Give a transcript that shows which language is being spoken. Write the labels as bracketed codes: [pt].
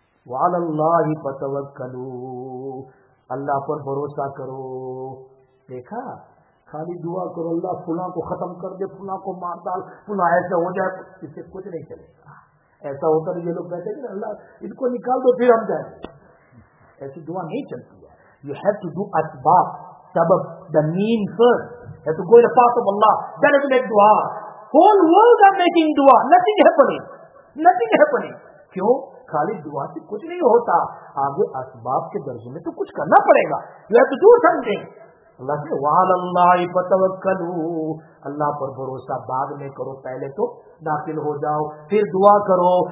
[ar] وَعَلَى اللَّهِ فَتَوَكَّلُوا, [ur] اللہ پر بھروسہ کرو. دیکھا, خالی دعا کرو, اللہ فلاں کو ختم کر دے, فلاں کو مار ڈال, فلاں ایسا ہو جائے, اس سے کچھ نہیں چلے گا. ایسا ہوتا ہے یہ لوگ کہتے ہیں اللہ ان کو نکال دو پھر ہم جائیں, ایسی دعا نہیں چلتی ہے. [en] You have to do asbab, sabab, the mean first. You have to go in the path of Allah, then you make dua. Whole world are making dua, nothing happening. [ur] کیوں؟ خالی دعا سے کچھ نہیں ہوتا, آگے اسباب کے درجے میں تو کچھ کرنا پڑے گا. [en] You have to do something. [ur] اللہ سے [ar] وعلی اللہ فتوکلوا, [ur] اللہ پر بھروسہ بعد میں کرو, پہلے تو داخل ہو جاؤ پھر دعا کرو.